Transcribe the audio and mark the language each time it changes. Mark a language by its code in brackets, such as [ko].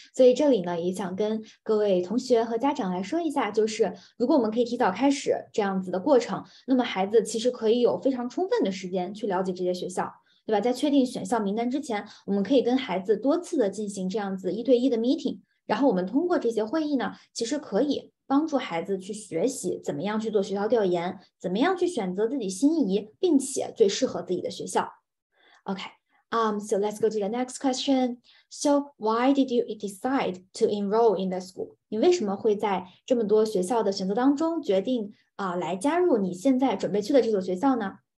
[zh] 所以这里呢，也想跟各位同学和家长来说一下，就是如果我们可以提早开始这样子的过程，那么孩子其实可以有非常充分的时间去了解这些学校。对吧，在确定选校名单之前，我们可以跟孩子多次的进行这样子一对一的 meeting, 然后我们通过这些会议呢，其实可以帮助孩子去学习怎么样去做学校调研，怎么样去选择自己心仪并且最适合自己的学校。 [en] OK, so let's go to the next question. So why did you decide to enroll in the school? [zh] 你为什么会在这么多学校的选择当中决定来加入你现在准备去的这所学校呢？